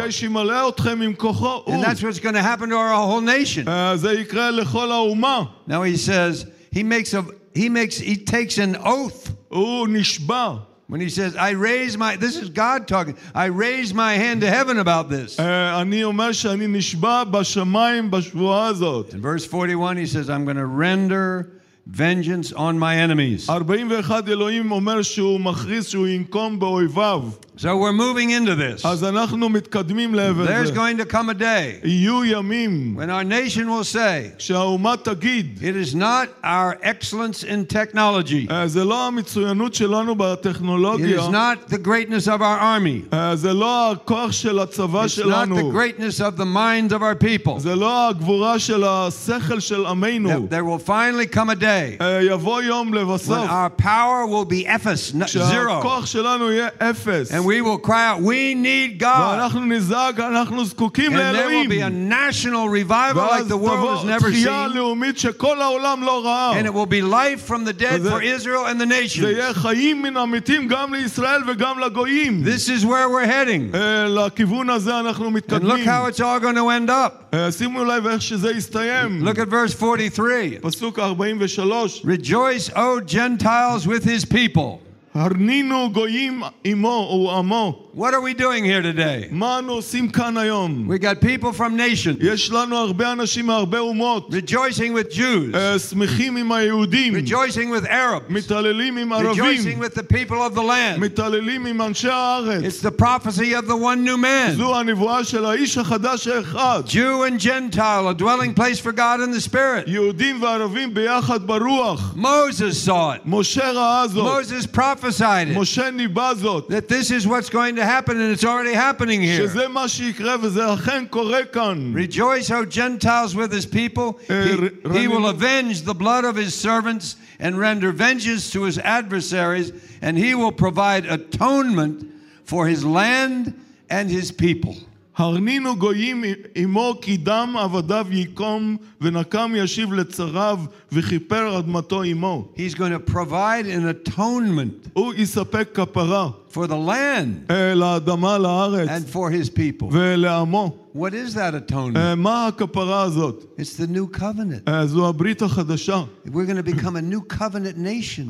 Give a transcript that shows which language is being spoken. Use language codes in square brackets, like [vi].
[he] כדי שימלא אתכם עם כוחו. [en] And that's what's going to happen to our whole nation. [he] זה יקרה לכל האומה. [en] Now he says, he takes an oath. [he] הוא נשבע. [en] When he says, this is God talking, I raise my hand to heaven about this. [he] אני אומר שאני נשבע בשמיים בשבועה הזאת. [en] In verse 41 he says, I'm going to render vengeance on my enemies. [he] 41 אלוהים אומר שהוא מכריז שהוא ינקום באויביו. [en] So we're moving into this. [he] אז אנחנו מתקדמים לעבר זה. [en] There's going to come a day. [he] יהיו ימים. [en] When our nation will say. [he] כשהאומה תגיד. [en] It is not our excellence in technology. [he] זה לא המצוינות שלנו בטכנולוגיה. [en] It is not the greatness of our army. [he] זה לא הכוח של הצבא שלנו. [en] It's not the greatness of the minds of our people. [he] זה לא הגבורה של השכל של עמנו. [en] There will finally come a day. [he] יבוא יום לבסוף. [en] When our power will be [he] אפס, [en] zero. [he] כשהכוח שלנו יהיה אפס. [en] And we will cry out, we need God. [he] ואנחנו נזעק, אנחנו זקוקים לאלוהים. [en] And there will be a national revival like the world has never seen. [he] תחייה לאומית שכל העולם לא ראה. [en] And it will be life from the dead for Israel and the nations. [he] זה יהיה חיים מן המתים גם לישראל וגם לגויים. [en] This is where we're heading. [he] לכיוון הזה אנחנו מתקדמים. [en] And look how it's all going to end up. [he] שימו לב איך שזה יסתיים. [en] Look at verse 43. [he] פסוק 43. [en] Rejoice, O Gentiles, with his people. [he] הרנינו גויים עמו ועמו. [en] What are we doing here today? [he] מה אנו עושים כאן היום? [en] We got people from nations. [he] יש לנו הרבה אנשים מהרבה אומות. [en] Rejoicing with Jews. [he] שמחים עם היהודים. [en] Rejoicing with Arabs. [he] מתעללים עם ערבים. [en] Rejoicing with the people of the land. [he] מתעללים עם אנשי הארץ. [en] It's the prophecy of the one new man. [he] זו הנבואה של האיש החדש האחד. [en] Jew and Gentile, a dwelling place for God and the Spirit. [he] יהודים וערבים ביחד ברוח. [en] Moses saw it. [he] משה ראה זאת. [en] Moses prophesied it. [he] משה ניבא זאת. [en] That this is what's going to happen, and it's already happening here. [he] שזה מה שיקרה וזה אכן קורה כאן. [en] Rejoice, O Gentiles, with his people. He will avenge the blood of his servants and render vengeance to his adversaries, and he will provide atonement for his land and his people. [he] הרנינו גויים עמו כי דם עבדיו ייקום ונקם ישיב לצריו וכיפר אדמתו עמו. [en] He's going to provide an atonement. [he] הוא יספק כפרה. [en] For the land. [he] לאדמה, לארץ. [en] And for his people. [he] ולעמו. [en] What is that atonement? [he] מה הכפרה הזאת? [en] It's the new covenant. [he] זו הברית החדשה. [en] We're going to become a new covenant nation.